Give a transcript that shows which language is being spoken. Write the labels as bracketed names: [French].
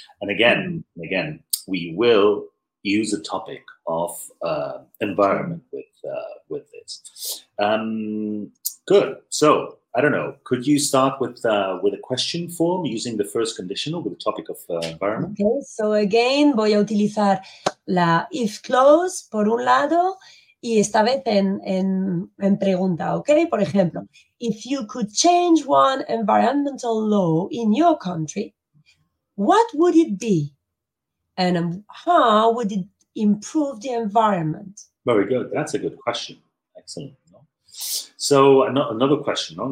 [English] And again, we will use a topic of environment with this. Good. So, I don't know, could you start with a question form using the first conditional with the topic of environment? Okay, so again, [Spanish] voy a utilizar la if clause por un lado y esta vez en pregunta, okay? Por ejemplo, [English] if you could change one environmental law in your country, what would it be? And how would it improve the environment? Very good. That's a good question. Excellent. So another question, no?